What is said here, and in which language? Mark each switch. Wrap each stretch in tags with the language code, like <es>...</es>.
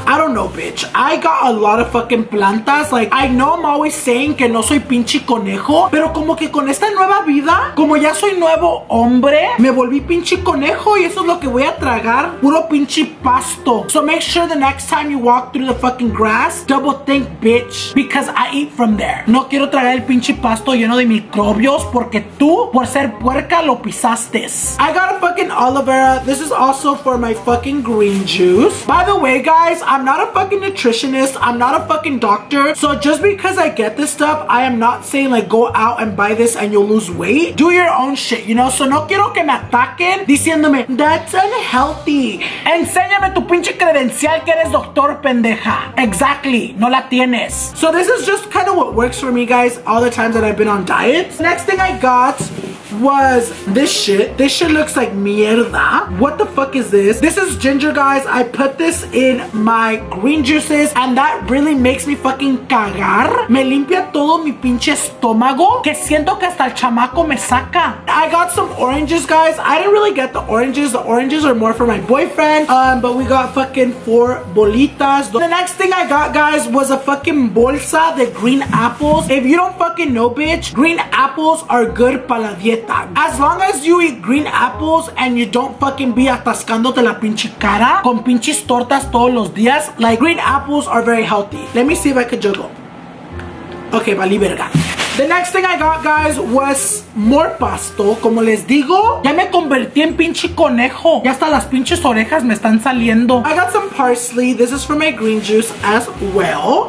<en>I don't know, bitch. I got a lot of fucking plantas. Like, I know I'm always saying</en> <es>que no soy pinche conejo, pero como que con esta nueva vida, como ya soy nuevo hombre, me volví pinche conejo y eso es lo que voy a tragar, puro pinche pasto.</es> <en>So make sure the next time you walk through the fucking grass, double think, bitch, because I eat from there.</en> <es>No quiero tragar el pinche pasto lleno de microbios porque tú, por ser puerca, lo pisaste.</es> <en>I got a fucking aloe vera. This is also for my fucking green juice. By the way, guys, I'm not a fucking nutritionist. I'm not a fucking doctor. So just because I get this stuff, I am not saying like go out and buy this and you'll lose weight. Do your own shit, you know? So</en> <es>no quiero que me ataquen diciéndome,</es> <en>that's unhealthy.</en> <es>Enséñame tu pinche credencial que eres doctor, pendeja. Exactly. No la tienes.</es> <en>So this is just kind of what works for me, guys, all the times that I've been on diets. Next thing I got was this shit. This shit looks like mierda. What the fuck is this? This is ginger, guys. I put this in my green juices and that really makes me fucking cagar.</en> <es>Me limpia todo mi pinche estómago que siento que hasta el chamaco me saca.</es> <en>I got some oranges, guys. I didn't really get the oranges. The oranges are more for my boyfriend. But we got fucking 4 bolitas. The next thing I got, guys, was a fucking bolsa de green apples. If you don't fucking know, bitch, green apples are good</en> <es>para la dieta.</es> <en>As long as you eat green apples and you don't fucking be</en> <es>atascándote la pinche cara con pinches tortas todos los días,</es> <en>like, green apples are very healthy. Let me see if I could juggle. Okay,</en> <es>vali verga.</es> <en>The next thing I got, guys, was more pasto.</en> <es>Como les digo, ya me convertí en pinche conejo. Ya hasta las pinches orejas me están saliendo.</es> <en>I got some parsley. This is for my green juice as well.</en>